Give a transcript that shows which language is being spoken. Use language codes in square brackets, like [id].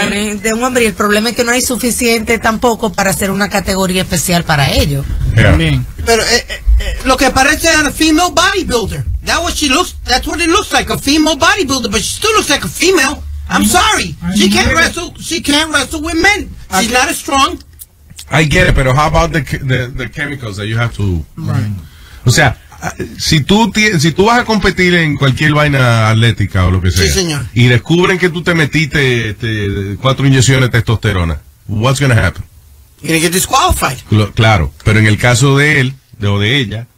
[es] De un hombre, y el problema es que no hay suficiente tampoco para hacer una categoría especial para ellos. [en] Yeah. [es] Pero lo que parece es una [en] female bodybuilder. That's what it looks like, a female bodybuilder, but she still looks like a female. I'm sorry, she can't wrestle with men. She's not as strong. I get it, [es] pero [en] how about the chemicals that you have to... Right. [es] O sea, si tú vas a competir en cualquier vaina atlética o lo que sea, sí, señor, y descubren que tú te metiste cuatro inyecciones de testosterona, [en] what's going to happen? You're going to get disqualified. [es] Claro, pero en el caso de él o de ella,